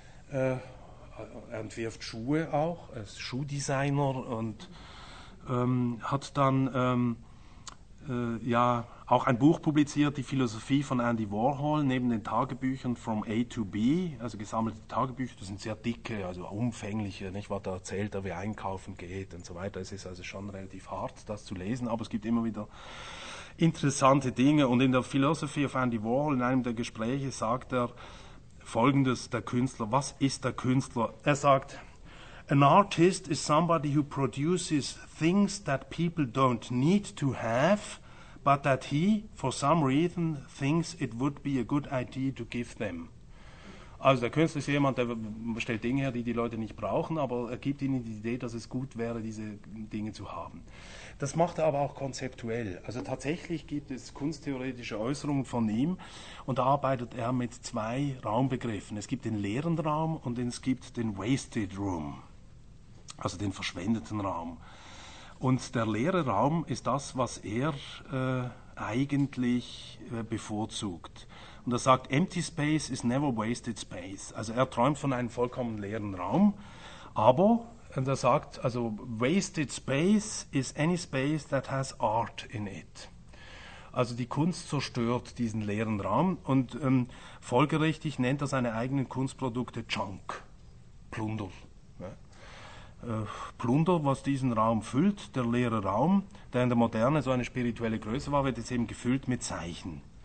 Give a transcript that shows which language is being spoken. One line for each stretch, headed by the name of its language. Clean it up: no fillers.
German: Er entwirft Schuhe auch, er ist Schuhdesigner und hat dann ja, auch ein Buch publiziert, die Philosophie von Andy Warhol, neben den Tagebüchern From A to B, also gesammelte Tagebücher, das sind sehr dicke, also umfängliche, nicht, was da erzählt er, wie einkaufen geht und so weiter. Es ist also schon relativ hart, das zu lesen, aber es gibt immer wieder interessante Dinge. Und in der Philosophie of Andy Warhol, in einem der Gespräche, sagt er Folgendes, der Künstler, was ist der Künstler? Er sagt,
English: an artist is somebody who produces things that people don't need to have, but that he, for some reason, thinks it would be a good idea to give them.
German: Also der Künstler ist jemand, der stellt Dinge her, die die Leute nicht brauchen, aber er gibt ihnen die Idee, dass es gut wäre, diese Dinge zu haben. Das macht er aber auch konzeptuell. Also tatsächlich gibt es kunsttheoretische Äußerungen von ihm und da arbeitet er mit zwei Raumbegriffen. Es gibt den leeren Raum und es gibt den wasted room, also den verschwendeten Raum. Und der leere Raum ist das, was er eigentlich bevorzugt. Und er sagt,
English: empty space is never wasted space.
German: Also er träumt von einem vollkommen leeren Raum. Aber, und er sagt, also
English: wasted space is any space that has art in it.
German: Also die Kunst zerstört diesen leeren Raum. Und folgerichtig nennt er seine eigenen Kunstprodukte Junk, Plunder. Plunder, was diesen Raum füllt, der leere Raum, der in der Moderne so eine spirituelle Größe war, wird jetzt eben gefüllt mit Zeichen.